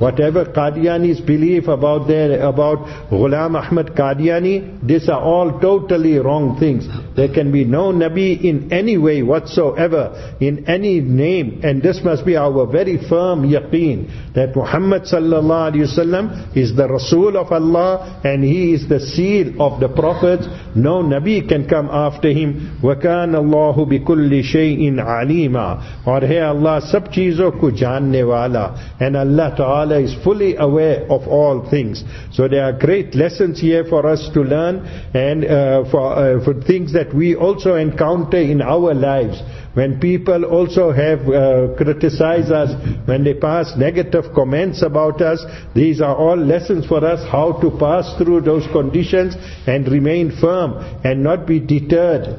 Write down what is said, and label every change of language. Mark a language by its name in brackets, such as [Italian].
[English] Whatever Qadiani's belief about Ghulam Ahmad Qadiani, these are all totally wrong things. There can be no Nabi in any way whatsoever, in any name. And this must be our very firm yaqeen that Muhammad sallallahu alayhi wasallam is the Rasul of Allah and he is the seal of the prophets. No Nabi can come after him. [Arabic] وَكَانَ اللَّهُ بِكُلِّ شَيْءٍ عَلِيمًا [Urdu] اور ہے اللہ سب چیزوں کو جاننے والا. [English] And Allah Ta'ala is fully aware of all things. So there are great lessons here for us to learn and for things that we also encounter in our lives. When people also have criticized us, when they pass negative comments about us, these are all lessons for us how to pass through those conditions and remain firm and not be deterred.